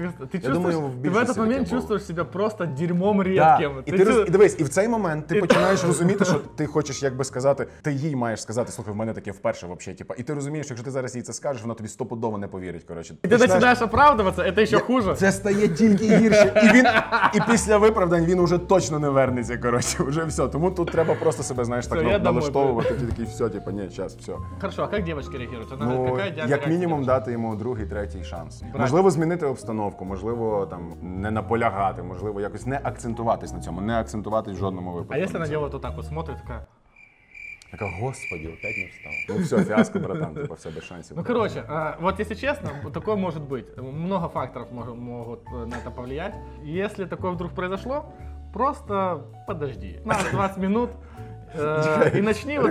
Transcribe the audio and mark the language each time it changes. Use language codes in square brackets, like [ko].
[ru] Ти в этот момент чувствуешь себя просто дерьмом редким. Да. [uk] І дивись, і в цей момент ти починаєш розуміти, що ти хочеш якби сказати, ти їй маєш сказати, слухай, в мене таке вперше взагалі, типа. І ти розумієш, якщо ти зараз їй це скажеш, вона тобі стопудово не повірить, короче. І ти починаєш оправдуватися, це ще хуже. Це стає тільки гірше. І після виправдань він уже точно не вернеться, короче. Уже все. Тому тут треба просто себе, знаєш, так налаштовувати, такий, все, типа, ні, час, все. Хорошо, а як дівчинки реагують? Ну, як мінімум дати йому другий, третій шанс. Можливо, змінити обстановку. Можливо, там не наполягати, можливо, якось не акцентуватись на цьому, не акцентуватись в жодному випадку. А якщо на діло, то так от смотрить, така. [ru] Так, господи, опять не встал. Ну все, фиаско, братан, типа все, без шансов. Ну короче, вот если честно, такое может быть. Много факторов могут на это повлиять. Если такое вдруг произошло, просто подожди. 20 минут. И начни вот